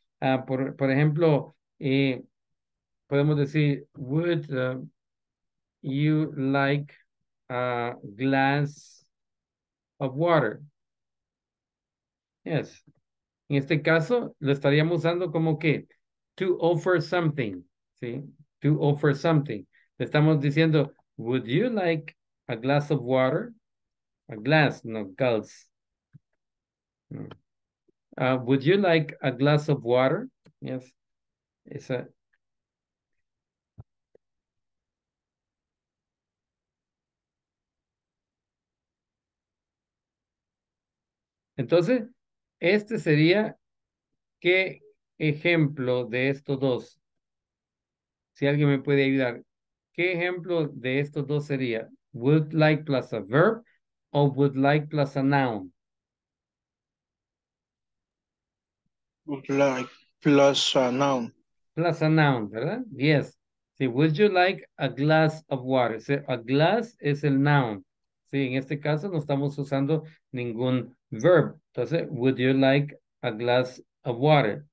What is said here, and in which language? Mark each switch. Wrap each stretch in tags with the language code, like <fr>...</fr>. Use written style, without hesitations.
<es>Por ejemplo, podemos decir,</es> <en>would you like a glass of water? Yes.</en> <es>En este caso, lo estaríamos usando como que</es> <en>to offer something,</en> <es>¿sí?</es> <en>To offer something.</en> <es>Le estamos diciendo,</es> <en>would you like a glass of water? A glass, no, gulps. Would you like a glass of water? Yes. It's a...</en> <es>Entonces, este sería, ¿qué ejemplo de estos dos? Si alguien me puede ayudar, ¿qué ejemplo de estos dos sería?</es> <en>Would like plus a verb o would like plus a noun? Would like plus a noun. Plus a noun, ¿verdad? Yes. Sí, would you like a glass of water? So, a glass</en> <es>es el</es> <en>noun.</en> <es>Sí, en este caso no estamos usando ningún verb.</es> <en>Entonces, would you like a glass of water?</en>